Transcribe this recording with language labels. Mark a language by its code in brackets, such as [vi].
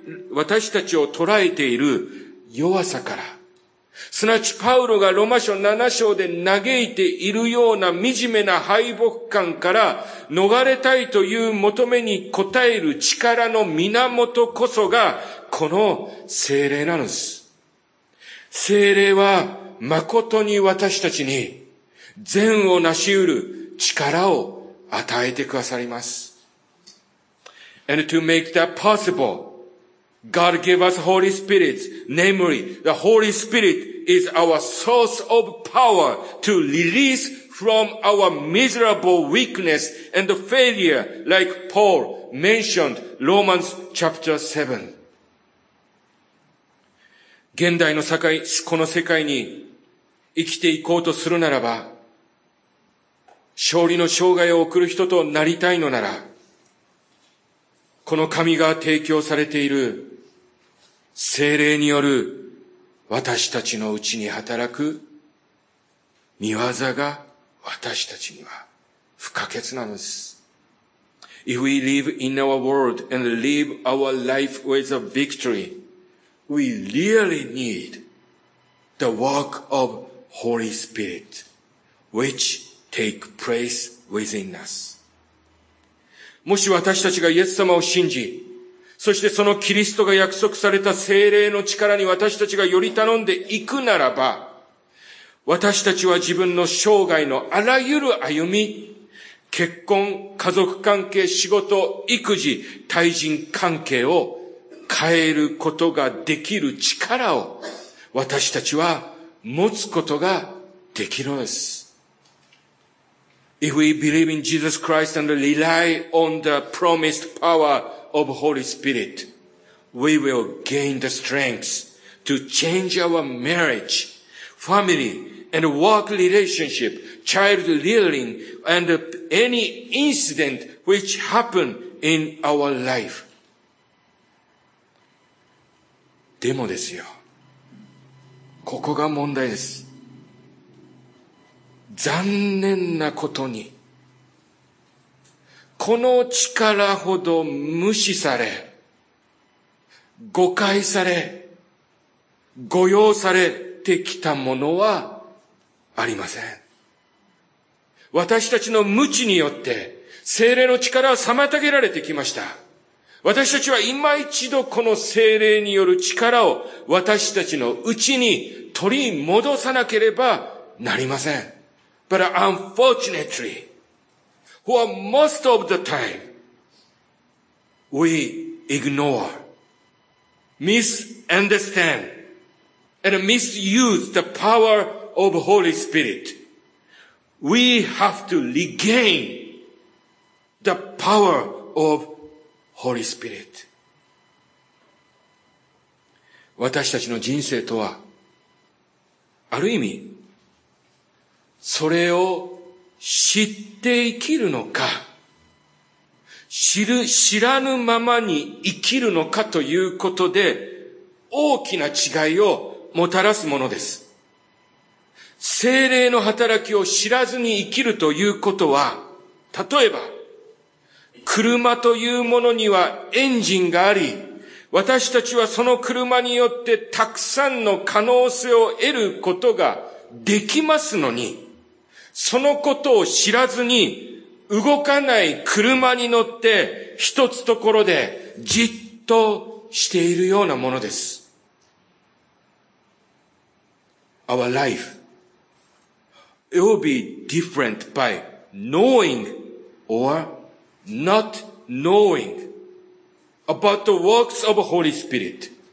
[ja] 私たちを捉えている弱さから、すなわちパウロがロマ書7章で嘆いているような惨めな敗北感から逃れたいという求めに応える力の源こそがこの聖霊なのです。聖霊は誠に私たちに善を成し得る力を与えてくださります。 [en] And to make that possible, God gave us Holy Spirit, namely, the Holy Spirit is our source of power to release from our miserable weakness and failure, like Paul mentioned, Romans chapter 7. [ja] 現代のこの世界に生きていこうとするならば、勝利の生涯を送る人となりたいのなら、この神が提供されている聖霊による私たちのうちに働く御業が私たちには不可欠なのです。 [en] If we live in our world and live our life with a victory, we really need the work of Holy Spirit, whichtake place within us. [ja] もし私たちがイエス様を信じ、そしてそのキリストが約束された聖霊の力に私たちがより頼んでいくならば、私たちは自分の生涯のあらゆる歩み、結婚、家族関係、仕事、育児、対人関係を変えることができる力を私たちは持つことができるのです。 [en] If we believe in Jesus Christ and rely on the promised power of Holy Spirit, we will gain the strength to change our marriage, family, and work relationship, child rearing, and any incident which happen in our life. [ja] でもですよ。ここが問題です。残念なことに、この力ほど無視され、誤解され、誤用されてきたものはありません。私たちの無知によって、聖霊の力は妨げられてきました。私たちは今一度この聖霊による力を私たちのうちに取り戻さなければなりません。 [en] But unfortunately, for most of the time, we ignore, misunderstand, and misuse the power of Holy Spirit. We have to regain the power of Holy Spirit. [ja] 私たちの人生とは、ある意味、それを知って生きるのか、知らぬままに生きるのかということで、大きな違いをもたらすものです。聖霊の働きを知らずに生きるということは、例えば、車というものにはエンジンがあり、私たちはその車によってたくさんの可能性を得ることができますのに、そのことを知らずに動かない車に乗って一つところでじっとしているようなものです。 [en] Our life it will be different by knowing or not knowing about the works of Holy Spirit.